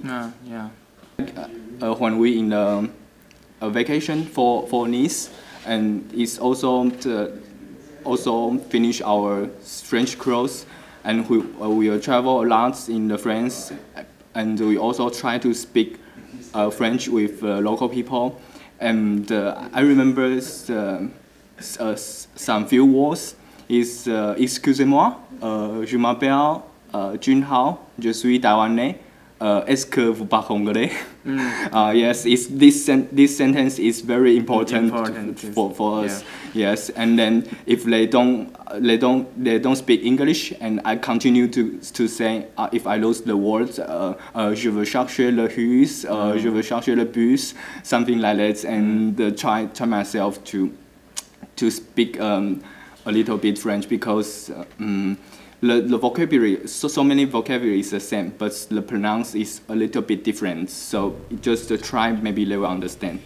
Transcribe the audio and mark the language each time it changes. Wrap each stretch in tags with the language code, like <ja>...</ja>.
<en>When we in the vacation for Nice, and it's also finish our French course, and we will travel a lot in the France, and we also try to speak French with local people, and I remember some few words.</en> <fr>Is excusez-moi, je m'appelle Chun-Hao, je suis Taiwanais, est-ce que vous parlez anglais?</fr> <en>Yes, this sentence is very important for us. Yeah. Yes, and then if they don't speak English, and I continue to say if I lose the words,</en> <fr>je veux chercher le bus,</fr> <en>je veux chercher le bus, something like that, and try myself to speak a little bit French, because the vocabulary, so many vocabulary is the same, but the pronounce is a little bit different. So just try, maybe they will understand.</en>